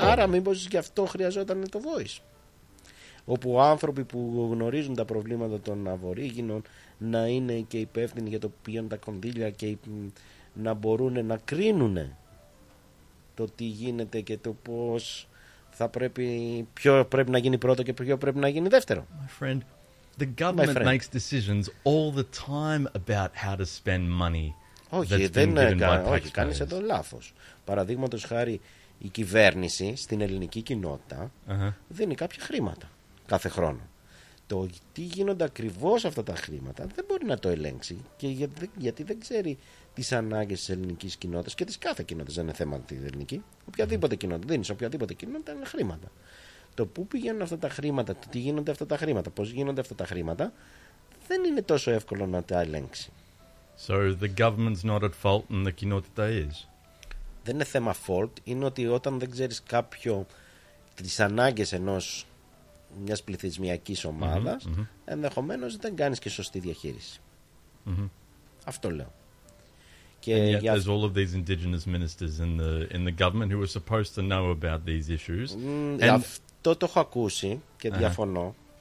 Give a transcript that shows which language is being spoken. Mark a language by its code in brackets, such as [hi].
[el] Άρα μήπως γι' αυτό χρειαζόταν το voice. Όπου άνθρωποι που γνωρίζουν τα προβλήματα των αβορίγινων να είναι και υπεύθυνοι για το που πηγαίνουν τα κονδύλια και να μπορούν να κρίνουν το τι γίνεται και το πώς θα πρέπει, ποιο πρέπει να γίνει πρώτο και ποιο πρέπει να γίνει δεύτερο. [en] My friend, the government makes decisions all the time about how to spend money. [el] Όχι, δεν όχι, κάνεις εδώ λάθος. Παραδείγματος χάρη, η κυβέρνηση στην ελληνική κοινότητα δίνει κάποια χρήματα κάθε χρόνο. Το τι γίνονται ακριβώς αυτά τα χρήματα δεν μπορεί να το ελέγξει, και γιατί δεν ξέρει τις ανάγκες της ελληνικής κοινότητας και της κάθε κοινότητας, δεν είναι θέμα τη ελληνική. Οποιαδήποτε κοινότητα δίνεις, οποιαδήποτε κοινότητα είναι χρήματα. Το πού πηγαίνουν αυτά τα χρήματα, το τι γίνονται αυτά τα χρήματα, πώς γίνονται αυτά τα χρήματα, δεν είναι τόσο εύκολο να τα ελέγξει. [en] So the government's not at fault and the κοινότητα is. [el] Δεν είναι θέμα fault, είναι ότι όταν δεν ξέρεις κάποιο τις ανάγκες ενός μιας πληθυσμιακής ομάδας, ενδεχομένως δεν κάνεις και σωστή διαχείριση. Αυτό λέω. [en] And yet there's all of these indigenous ministers in the government who are supposed to know about these issues. And... [el] Αυτό το έχω ακούσει και διαφωνώ.